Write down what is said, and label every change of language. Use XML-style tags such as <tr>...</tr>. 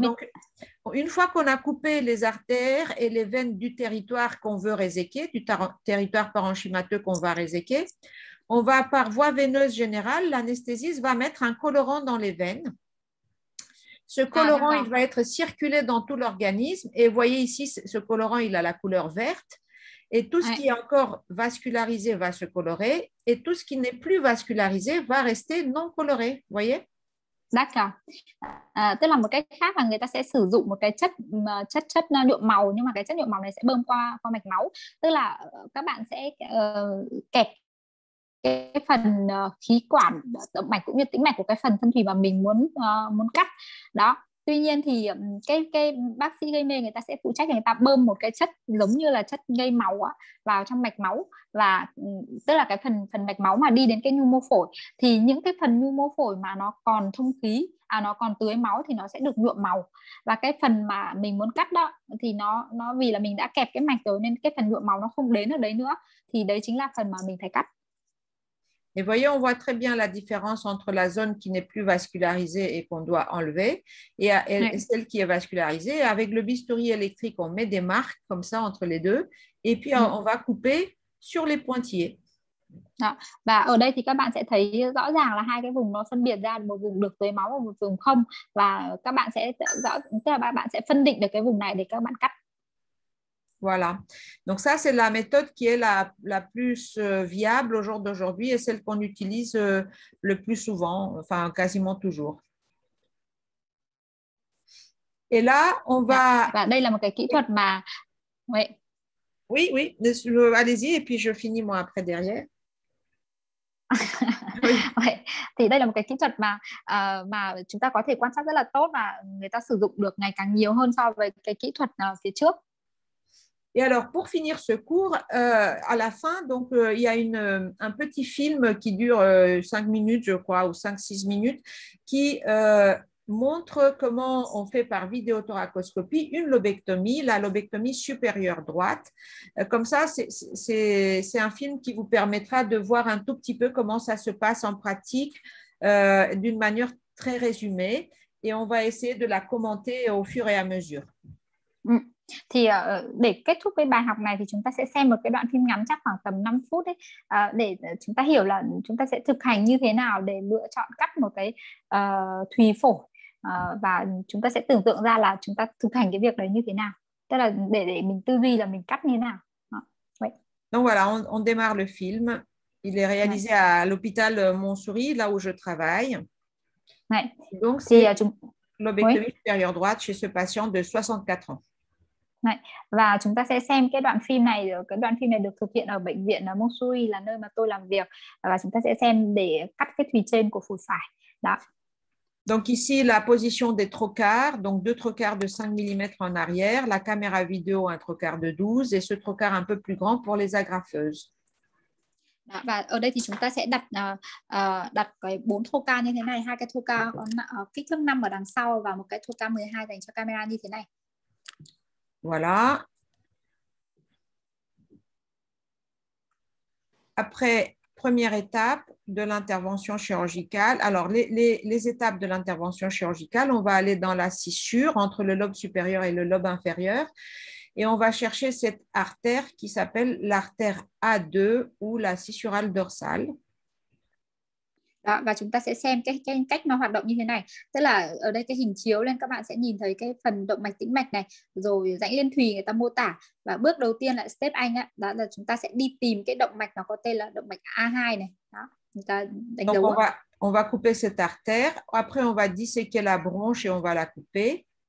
<fr>Donc, une fois qu'on a coupé les artères et les veines du territoire qu'on veut réséquer, du territoire parenchymateux qu'on va réséquer, on va par voie veineuse générale, l'anesthésiste va mettre un colorant dans les veines. Ce colorant, il endomètre. va être circulé dans tout l'organisme. Et vous voyez ici, ce colorant, il a la couleur verte. Et tout ce qui est encore vascularisé va se colorer. Et tout ce qui n'est plus vascularisé va rester non coloré. Vous voyez? D'accord.</fr> <vi>Tức là một cách khác là người ta sẽ sử dụng một cái chất chất chất nhuộm màu, nhưng mà cái chất nhuộm màu này sẽ bơm qua mạch máu. Tức là các bạn sẽ kẹp cái phần khí quản động mạch cũng như tĩnh mạch của cái phần phân thủy mà mình muốn muốn cắt. Đó. Tuy nhiên thì cái bác sĩ gây mê người ta sẽ phụ trách, người ta bơm một cái chất giống như là chất gây máu á, vào trong mạch máu, và tức là cái phần phần mạch máu mà đi đến cái nhu mô phổi, thì những cái phần nhu mô phổi mà nó còn thông khí, nó còn tưới máu thì nó sẽ được nhuộm màu, và cái phần mà mình muốn cắt đó thì nó vì là mình đã kẹp cái mạch rồi nên cái phần nhuộm màu nó không đến ở đấy nữa, thì đấy chính là phần mà mình phải cắt.</vi> <fr>Et voyez, on voit très bien la différence entre la zone qui n'est plus vascularisée et qu'on doit enlever et celle qui est vascularisée. Avec le bistouri électrique, on met des marques comme ça entre les deux et puis on va couper sur les pointillés.</fr> <vi>Đó. Và ở đây thì các bạn sẽ thấy rõ ràng là hai cái vùng nó phân biệt ra, một vùng được tưới máu và một vùng không, và các bạn sẽ rõ, tức là các bạn sẽ phân định được cái vùng này để các bạn cắt.</vi> <fr>Voilà. Donc ça, c'est la méthode qui est la plus viable au jour d'aujourd'hui et celle qu'on utilise le plus souvent, enfin quasiment toujours. Et là, on va...</fr> <vi>Và đây là một cái kỹ thuật mà...</vi> <fr>Oui. Oui, oui, allez-y et puis je finis moi après derrière. Oui.</fr> <vi>Thì đây là một cái kỹ thuật mà chúng ta có thể quan sát rất là tốt và người ta sử dụng được ngày càng nhiều hơn so với cái kỹ thuật phía trước.</vi> <fr>Et alors, pour finir ce cours, à la fin, donc, il y a un petit film qui dure 5 minutes, je crois, ou 5-6 minutes, qui montre comment on fait par vidéothoracoscopie une lobectomie, la lobectomie supérieure droite. Comme ça, c'est un film qui vous permettra de voir un tout petit peu comment ça se passe en pratique d'une manière très résumée. Et on va essayer de la commenter au fur et à mesure. Mm.</fr> <vi>Thì để kết thúc cái bài học này thì chúng ta sẽ xem một cái đoạn phim ngắn chắc khoảng tầm 5 phút ấy, để chúng ta hiểu là chúng ta sẽ thực hành như thế nào để lựa chọn cắt một cái thùy phổi, và chúng ta sẽ tưởng tượng ra là chúng ta thực hành cái việc đấy như thế nào, tức là để mình tư duy là mình cắt như thế nào. Vậy.</vi> <fr>Donc voilà, on démarre le film. Il est réalisé à l'hôpital Montsouris, là où je travaille. Ouais. Donc c'est l'obectomie supérieure droite chez ce patient de 64 ans.</fr> <vi>Này, và chúng ta sẽ xem cái đoạn phim này. Cái đoạn phim này được thực hiện ở bệnh viện ở Montsouris, là nơi mà tôi làm việc. Và chúng ta sẽ xem để cắt cái thùy trên của phổi phải. Đó.</vi> <fr>Donc ici la position des trocars, donc deux trocars de 5 mm en arrière, la caméra vidéo un trocar de 12 et ce trocar un peu plus grand pour les agrafeuses.</fr> <vi>Đó, và ở đây thì chúng ta sẽ đặt đặt cái 4 trocar như thế này, hai cái trocar kích thước 5 ở đằng sau và một cái trocar 12 dành cho camera như thế này.</vi> <fr>Voilà. Après, première étape de l'intervention chirurgicale. Alors, les étapes de l'intervention chirurgicale, on va aller dans la scissure entre le lobe supérieur et le lobe inférieur et on va chercher cette artère qui s'appelle l'artère A2 ou la scissurale dorsale.</fr> <vi>Đó, và chúng ta sẽ xem cái cách nó hoạt động như thế này. Tức là ở đây cái hình chiếu lên, các bạn sẽ nhìn thấy cái phần động mạch tĩnh mạch này, rồi rãnh liên thùy người ta mô tả. Và bước đầu tiên là step anh á, đó là chúng ta sẽ đi tìm cái động mạch nó có tên là động mạch A2 này. Đó, chúng ta đánh</vi> <fr>Donc</fr> <vi>dấu.</vi> <fr>On va couper cette artère, après on va disséquer la bronche et on va la couper.</fr>